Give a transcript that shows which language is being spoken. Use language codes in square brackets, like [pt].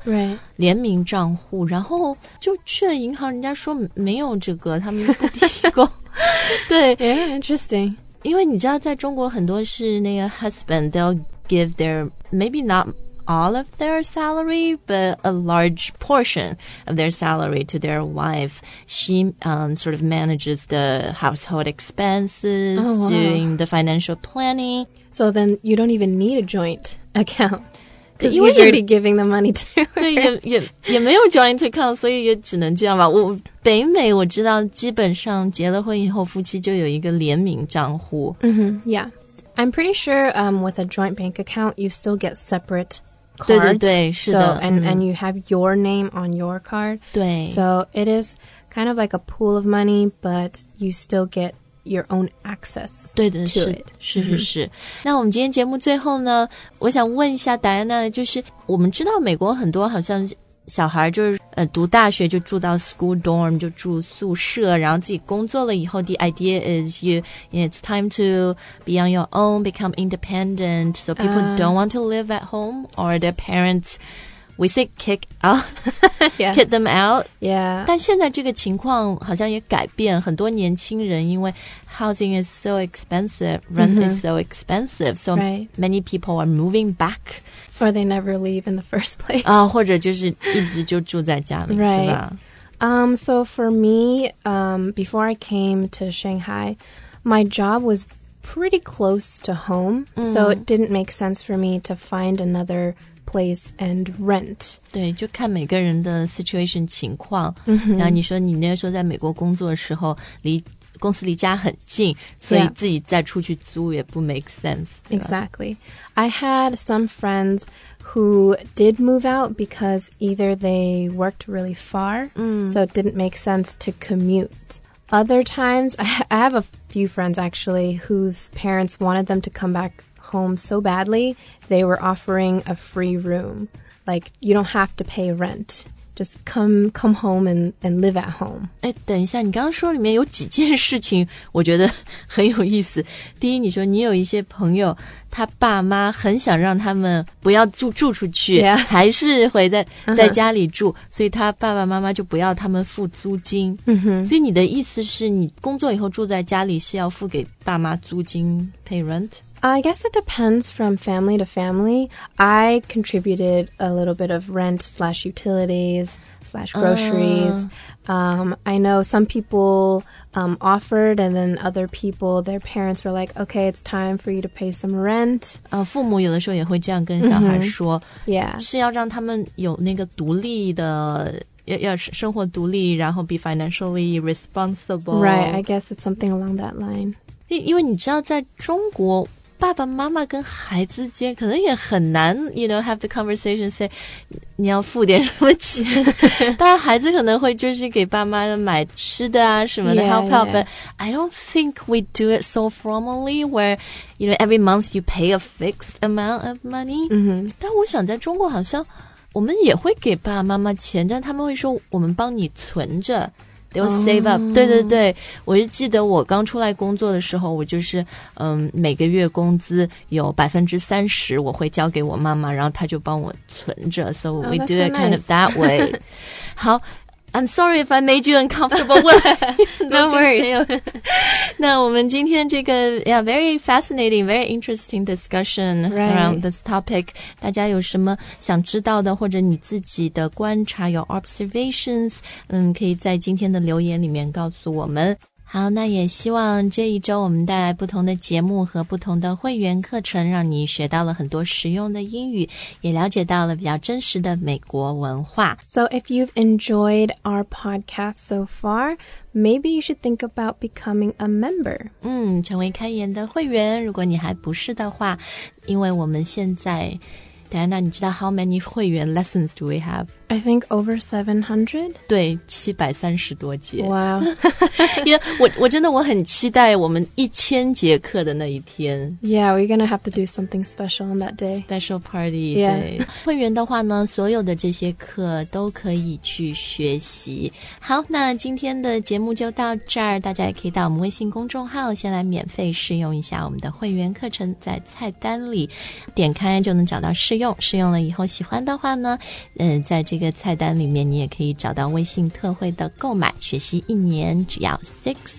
[en] right. [zh] 联名账户然后就去了银行人家说没有这个他们不提供对 [en] yeah, interesting [zh] 因为你知道在中国很多是那个 [en] husband they'll give their maybe not all of their salary but a large portion of their salary to their wife she、sort of manages the household expenses、 oh, wow. doing the financial planning so then you don't even need a joint account because he's already giving the money to her [zh] 也没有 joint account 所以也只能这样吧我北美我知道基本上结了婚以后夫妻就有一个联名账户、 [en] mm-hmm. yeahI'm pretty sure、with a joint bank account, you still get separate cards. [zh] 对对对是的 [en] so, and,、and you have your name on your card. [zh] 对 [en] So it is kind of like a pool of money, but you still get your own access [zh] 对的 [en] to [zh] 是 [en] it. [zh] 是是是、mm-hmm. 那我们今天节目最后呢我想问一下戴安娜就是我们知道美国很多好像小孩就是、读大学就住到 school dorm, 就住宿舍然后自己工作了以后 [en] the idea is it's time to be on your own, become independent, so people、don't want to live at home or their parents, we say kick out, yeah. kick them out. Yeah. [zh] 但现在这个情况好像也改变很多年轻人因为 [en] housing is so expensive, rent、mm-hmm. is so expensive, so、 right. many people are moving back. Or they never leave in the first place. [zh] 啊，或者就是一直就住在家里，是吧 [en] ？Right. So for me, before I came to Shanghai, my job was pretty close to home, so it didn't make sense for me to find another place and rent. [zh] 对，就看每个人的 situation 情况。 [en] Mm-hmm. [zh] 然后你说你那时候在美国工作的时候，离公司离家很近，所以自己再出去租也不 make sense. [en] Yeah. Exactly. I had some friends who did move out because either they worked really far, so it didn't make sense to commute. Other times, I have a few friends actually whose parents wanted them to come back home so badly, they were offering a free room. Like, you don't have to pay rent. Just come home and live at home. [zh] 哎，等一下，你刚刚说里面有几件事情，我觉得很有意思。第一，你说你有一些朋友，他爸妈很想让他们不要住出去， [en] yeah. [zh] 还是回在家里住， uh-huh. 所以他爸爸妈妈就不要他们付租金。 [en] Mm-hmm. [zh] 所以你的意思是你工作以后住在家里是要付给爸妈租金 ，pay rent。 [en] I guess it depends from family to family. I contributed a little bit of rent / utilities / groceries. I know some people offered and then other people, their parents were like, okay, it's time for you to pay some rent. [zh] 父母有的时候也会这样跟小孩说、 [en] mm-hmm. yeah. [zh] 是要让他们有那个独立的要生活独立然后 [en] be financially responsible. Right, I guess it's something along that line. [zh] 因为你知道在中国爸爸妈妈跟孩子间可能也很难 [en] you know, have the conversation say [zh] 你要付点什么钱当然孩子可能会就是给爸妈买吃的啊什么的 [en] yeah, help out yeah. but I don't think we do it so formally where you know, every month you pay a fixed amount of money、 mm-hmm. [zh] 但我想在中国好像我们也会给爸爸妈妈钱但他们会说我们帮你存着 [en] They'll save up.、 Oh. [zh] 对对对，我是记得我刚出来工作的时候，我就是每个月工资有30%，我会交给我妈妈，然后她就帮我存着。 [en] So we、 oh, do it kind、 nice. of that way. 好 ，I'm sorry if I made you uncomfortable. No worries. [zh] 那我们今天这个 [en] yeah very fascinating, very interesting discussion、 right. around this topic. [zh] 大家有什么想知道的或者你自己的观察 [en] your observations, [zh] 可以在今天的留言里面告诉我们。好，那也希望这一周我们带来不同的节目和不同的会员课程，让你学到了很多实用的英语，也了解到了比较真实的美国文化。 [en] So if you've enjoyed our podcast so far, maybe you should think about becoming a member. [zh] 成为开言的会员，如果你还不是的话，因为我们现在Diana, 你知道 [en] how many [zh] 会员 lessons do we have? [en] I think over 700. [zh] 对，730多节。 [en] Wow. [zh] Yeah, 我真的我很期待我们1000节课的那一天。 [en] Yeah, we're going to have to do something special on that day. Special party, yeah. 对。 [zh] 会员的话呢，所有的这些课都可以去学习。好，那今天的节目就到这儿，大家也可以到我们微信公众号先来免费试用一下我们的会员课程，在菜单里点开就能找到试用了以后喜欢的话呢，在这个菜单里面你也可以找到微信特惠的购买，学习一年只要629.